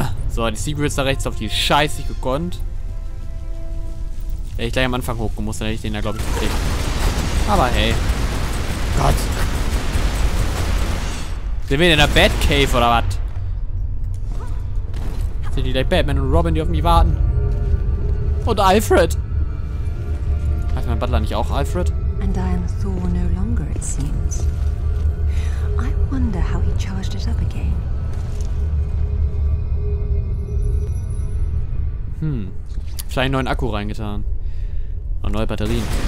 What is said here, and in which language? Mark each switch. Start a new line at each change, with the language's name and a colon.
German: So, die Secrets da rechts auf die Scheiße gekonnt. Hätte ich gleich am Anfang hoch muss, dann hätte ich den da, glaube ich, gekriegt. Aber hey. Gott. Sind wir in der Batcave oder was? Sind die gleich Batman und Robin, die auf mich warten? Und Alfred. Heißt mein Butler nicht auch Alfred?
English: And I am Thor no longer, it seems. I wonder how he charged it up again. Hm.
German: Vielleicht einen neuen Akku reingetan. Und neue Batterien.